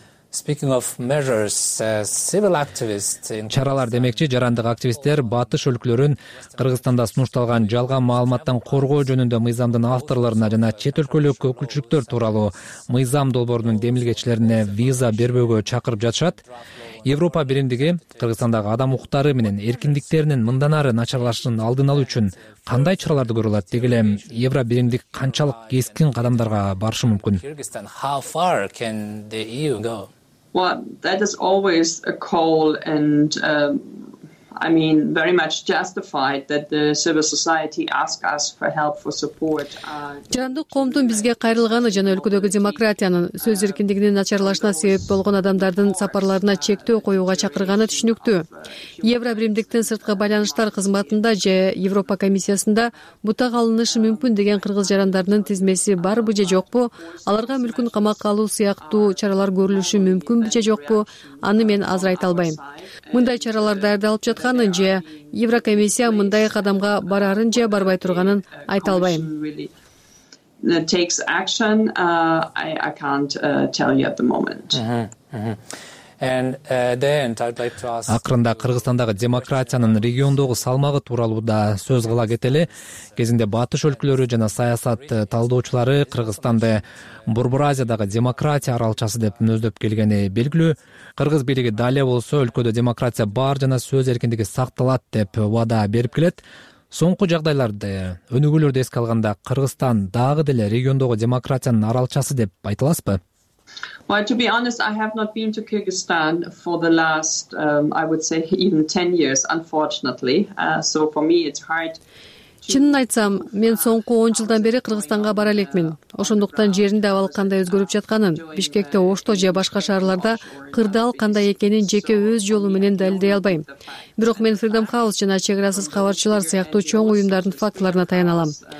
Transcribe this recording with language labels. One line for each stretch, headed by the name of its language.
English: Speaking of measures, civil activists in
Kyrgyz: Чаралар демекчи, жарандык активисттер батыш өлкөлөрүн Кыргызстанда сунушталган жалган маалыматтан коргоо жөнүндө мыйзамдын авторлоруна жана чет өлкөлүк өкүлчүлүктөр тууралуу мыйзам долбоорунун демилгечилерине виза бербөөгө чакырып жатышат. Европа биримдиги Кыргызстандагы адам укуктары менен эркиндиктеринин мындан ары начарлашын алдын алуу үчүн кандай чараларды көрө алат? Деги эле Евро биримдик канчалык кескин кадамдарга барышы мүмкүн?
English: How far can the EU go? Well, that is always a call and I mean very much justified that the civil society ask us for help for support.
Kyrgyz: Жарандык коомдун бизге кайрылганы жана өлкөдөгү демократиянын сөз эркиндигинин начарлашына себеп болгон адамдардын сапарларына чектөө коюуга чакырганы түшүнүктүү. Евробиримдиктин сырткы байланыштар кызматында же Европа комиссиясында бутага алынышы мүмкүн деген кыргыз жарандарынын тизмеси барбы же жокпу, аларга мүлкүн камакка алуу сыяктуу чаралар көрүлүшү мүмкүнбү же жокпу, аны мен азыр айта албайм. Мындай чаралар даярдалып жатканын же Еврокомиссия мындай кадамга барарын же барбай турганын айта албайм.
English: Takes action, I can't tell you at the moment. And then I'd like to ask
Kyrgyz: акырында Кыргызстандагы демократиянын региондогу салмагы тууралуу да сөз кыла кетели. Кезинде батыш өлкөлөрү жана саясат талдоочулары Кыргызстанды Борбор Азиядагы демократия аралчасы деп мүнөздөп келгени белгилүү. Кыргыз бийлиги дале болсо өлкөдө демократия бар жана сөз эркиндиги сакталат деп убада берип келет. Соңку жагдайларды, өнүгүүлөрдү эске алганда Кыргызстан дагы деле региондогу демократиянын аралчасы деп айта аласызбы?
English: Well, to be honest, I have not been to Kyrgyzstan for the last, I would say, even 10 years, unfortunately. So for me, it's hard.
Kyrgyz: Чынын айтсам, мен соңку 10 жылдан бери Кыргызстанга бара элекмин. Ошондуктан жеринде абал кандай өзгөрүп жатканын, Бишкекте, Ошто же башка шаарларда кырдаал кандай экенин жеке өз жолу менен далилдей албайм. Бирок мен Freedom House жана Чегарасыз кабарчылар сыяктуу чоң уюмдардын фактыларына таяналам.